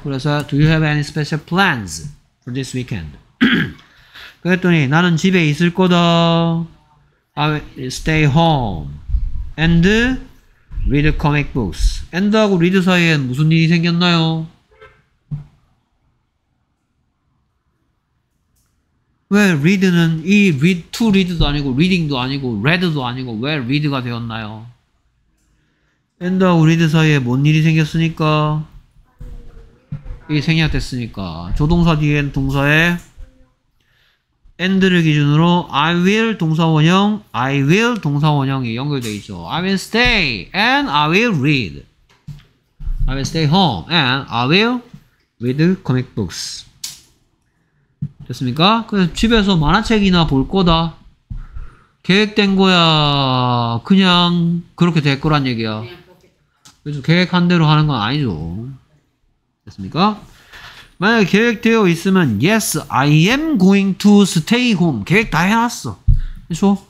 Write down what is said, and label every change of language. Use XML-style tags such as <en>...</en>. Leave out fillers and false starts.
<ko>그래서</ko> <en>Do you have any special plans for this weekend?</en> <ko>그랬더니 나는 집에 있을 거다.</ko> <en>I will stay home and read comic books.</en> <ko>And하고 read 사이엔 무슨 일이 생겼나요? 왜 read는 이 read to read도 아니고 reading도 아니고 read도 아니고 왜 read가 되었나요? And하고 read 사이에 뭔 일이 생겼으니까? 이게 생략됐으니까 조동사 뒤엔 동사에 and를 기준으로 I will 동사원형 I will 동사원형이 연결되어 있죠.</ko> <en>I will stay and I will read. I will stay home and I will read comic books.</en> <ko>됐습니까? 그래서 집에서 만화책이나 볼 거다. 계획된 거야. 그냥 그렇게 될 거란 얘기야. 그래서 계획한 대로 하는 건 아니죠. 됐습니까? 만약에 계획되어 있으면</ko> <en>Yes, I am going to stay home.</en> <ko>계획 다 해놨어. 그렇죠?</ko>